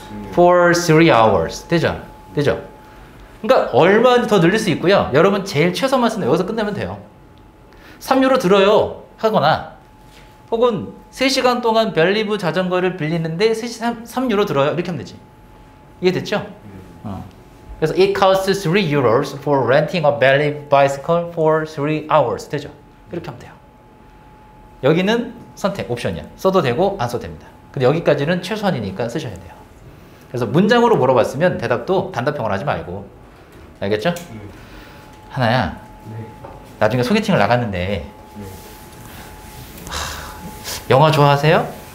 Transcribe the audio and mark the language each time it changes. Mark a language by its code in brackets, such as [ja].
[en] For 3 hours. [ko] 되죠? 되죠? 그러니까 얼마 더 늘릴 수 있고요. 여러분 제일 최소만 쓰면 여기서 끝내면 돼요. 3유로 들어요 하거나 혹은 3시간 동안 벨리브 자전거를 빌리는데 3유로 들어요 이렇게 하면 되지. 이해됐죠? 그래서 [en] it costs 3 euros for renting a Belive bicycle for 3 hours. [ko] 되죠? 이렇게 하면 돼요. 여기는 선택 옵션이야. 써도 되고 안 써도 됩니다. 근데 여기까지는 최소한이니까 쓰셔야 돼요. 그래서 문장으로 물어봤으면 대답도 단답형으로 하지 말고. 알겠죠? 하나야, 나중에 소개팅을 나갔는데 영화 좋아하세요?